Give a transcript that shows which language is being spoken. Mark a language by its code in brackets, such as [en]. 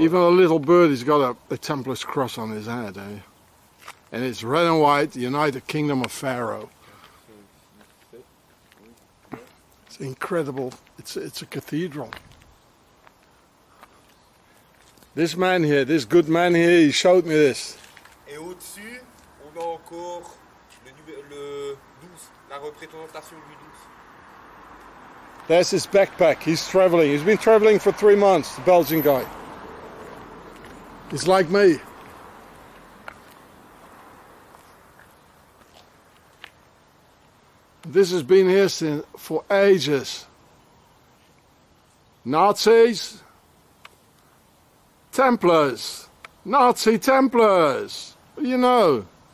[en] Even a little bird, he's got a Templar's cross on his head, eh? And it's red and white, the United Kingdom of Pharaoh. It's incredible. It's a cathedral. This man here, this good man here, he showed me this. [fr] Et au-dessus, on a encore le 12, la représentation du 12. [en] There's his backpack. He's traveling. He's been traveling for 3 months, the Belgian guy. He's like me. This has been here since, for ages. Nazis, Templars, Nazi Templars. What do you know?